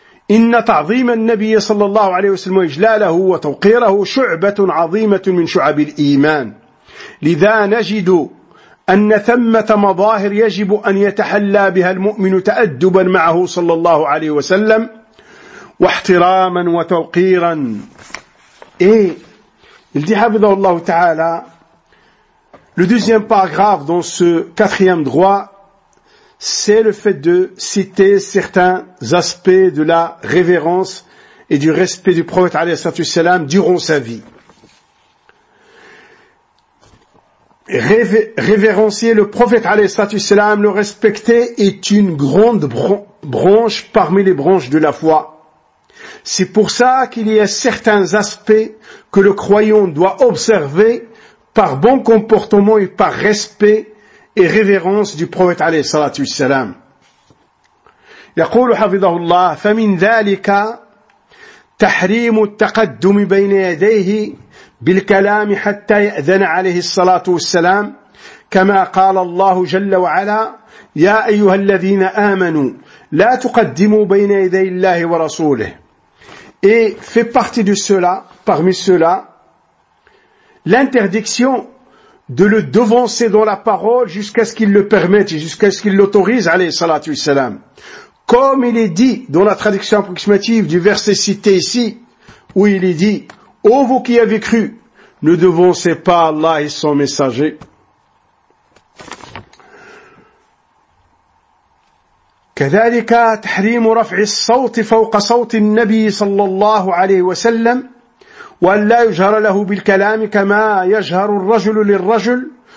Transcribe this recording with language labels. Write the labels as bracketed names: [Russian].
[Arabic] إن تعظيم النبي صلى الله عليه وسلم وإجلاله وتوقيره شعبة عظيمة من شعب الإيمان، لذا نجد أن ثمة مظاهر يجب أن يتحلى بها المؤمن تأدبا معه صلى الله عليه وسلم واحتراما وتوقيرا. إيه حفظه الله تعالى. [French] Le deuxième paragraphe dans ce quatrième droit, c'est le fait de citer certains aspects de la révérence et du respect du prophète alayhi salatu wasalam durant sa vie. Révérencier le prophète alayhi salatu wasalam, le respecter, est une grande branche parmi les branches de la foi. C'est pour ça qu'il y a certains aspects que le croyant doit observer par bon comportement et par respect et révérence du prophète alayhi salatu wassalam. [Arabic] يقول حفظه الله: فمن ذلك تحريم التقدم بين يديه بالكلام حتى يأذن عليه الصلاة والسلام، كما قال الله جل وعلا: يا أيها الذين آمنوا لا تقدموا بين يدي الله ورسوله. [French] Et fait partie de cela, parmi cela, l'interdiction de le devancer dans la parole jusqu'à ce qu'il le permette et jusqu'à ce qu'il l'autorise, alayhi salatu wassalam. Comme il est dit dans la traduction approximative du verset cité ici, où il est dit, ô vous qui avez cru, ne devancez pas Allah et son messager. [Arabic] كذلك تحريم رفع الصوت فوق صوت النبي صلى الله عليه وسلم وأن لا يجهر له بالكلام كما يجهر الرجل للرجل